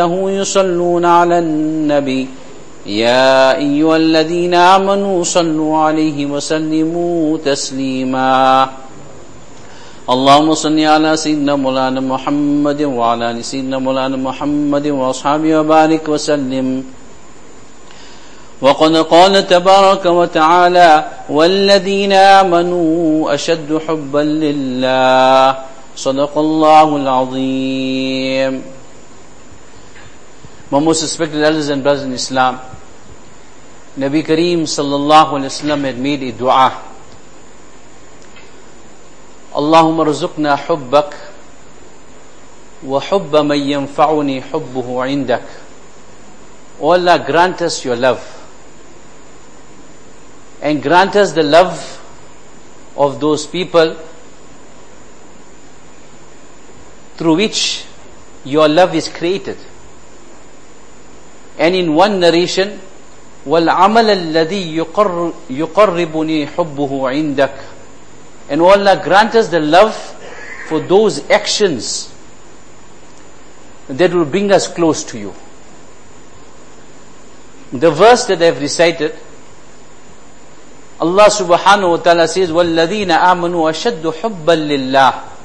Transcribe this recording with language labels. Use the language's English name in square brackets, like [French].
[Arabic] يصلون على النبي يا أيها الذين آمنوا صلوا عليه وسلموا تسليما اللهم صل على سيدنا مولانا محمد وعلى آل سيدنا مولانا محمد وأصحابه وبارك وسلم وقد قال تبارك وتعالى والذين آمنوا أشد حبا لله صدق الله العظيم. [English] My most respected elders and brothers in Islam, Nabi Kareem sallallahu alayhi wa sallam had made a dua. [Arabic] اللهم ارزقنا حبك وحب من ينفعني حبه عندك. [English] O Allah, grant us your love and grant us the love of those people through which your love is created. And in one narration, [Arabic] وَالْعَمَلَ الَّذِي يُقَرِّبُنِي حُبُّهُ عِنْدَكَ. [English] And O Allah, grant us the love for those actions that will bring us close to you. The verse that I have recited, Allah subhanahu wa ta'ala says, [Arabic] وَالَّذِينَ آمَنُوا أَشَدُّ حُبَّا لِلَّهِ.